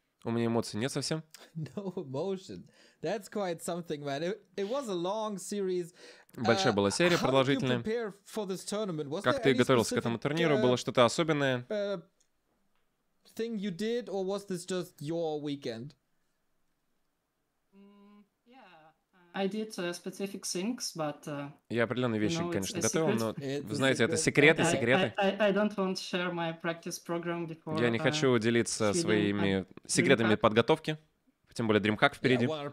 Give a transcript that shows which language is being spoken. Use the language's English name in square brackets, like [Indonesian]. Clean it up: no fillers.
[Russian] У меня эмоций нет совсем. [English] No emotion. That's quite something, man. It was a long series. [Russian] Большая была серия, продолжительная. Как ты готовился к этому турниру? Было что-то особенное? [English] Thing you did, or was this just your weekend? I did specific things, but. [Russian] Я определенные вещи, конечно, готовил, но вы знаете, это секреты, секреты. [English] I don't want to share my practice program before. [Russian] Я не хочу делиться своими секретами подготовки, тем более DreamHack впереди.